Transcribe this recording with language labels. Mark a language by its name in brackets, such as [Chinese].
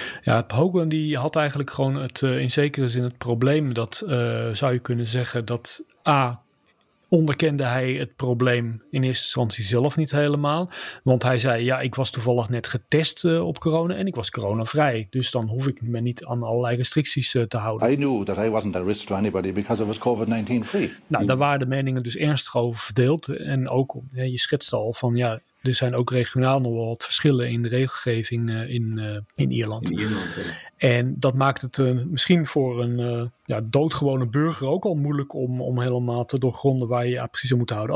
[Dutch] Ja, Hogan die had eigenlijk gewoon het in zekere zin het probleem dat zou je kunnen zeggen dat A, onderkende hij het probleem in eerste instantie zelf niet helemaal. Want hij zei, ja, ik was toevallig net getest op corona en ik was coronavrij. Dus dan hoef ik me niet aan allerlei restricties te houden. [English] I knew that I wasn't a risk to anybody because I was COVID-19 free. [Dutch] Nou, daar waren de meningen dus ernstig over verdeeld. En ook, je schetst al van, ja... Er zijn ook regionaal nog wel wat verschillen in de regelgeving in Ierland. In Ierland, ja. En dat maakt het misschien voor een doodgewone burger ook al moeilijk om helemaal te doorgronden waar je precies aan moet houden.